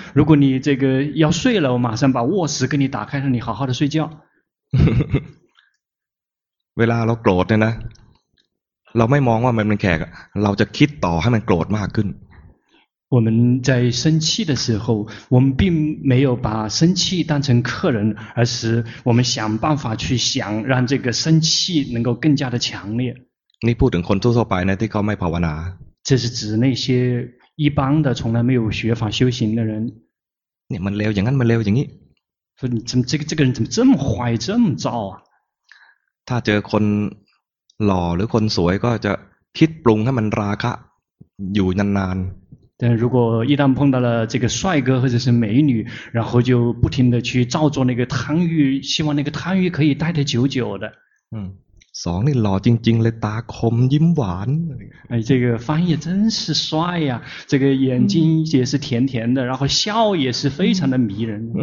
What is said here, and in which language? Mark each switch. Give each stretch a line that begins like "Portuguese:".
Chinese: 如果你这个要睡了，我马上把卧室给你打开，让你好好的睡觉。
Thai: เวลาเราโกรธเนี่ยนะเราไม่มองว่ามันเป็นแขกเราจะคิดต่อให้มันโกรธมากขึ้น
Chinese: 我们在生气的时候，我们并没有把生气当成客人，而是我们想办法去想，让这个生气能够更加的强烈。你
Thai: พูดถึงคนทั่วไปนะที่เขาไม่ภาวนา，
Chinese: 这是指那些一般的从来没有学法修行的人。
Thai: เนี่ยมันเลวอย่างนั้นมันเลวอย่างนี้
Chinese: 说你怎么这个人怎么这么坏这么糟啊？
Thai: ถ้าเจอคนหล่อหรือคนสวยก็จะคิดปรุงให้มันราคะอยู่นานๆ แต่
Chinese: 如果一旦碰到了这个帅哥或者是美女，然后就不停的去照做那个贪欲，希望那个贪欲可以待得久久的。
Thai: สองนี่หล่อจริงๆเลยตาคมยิ้มหวาน。
Chinese: 哎，这个翻译真是帅呀、啊！这个眼睛也是甜甜的，然后笑也是非常的迷人。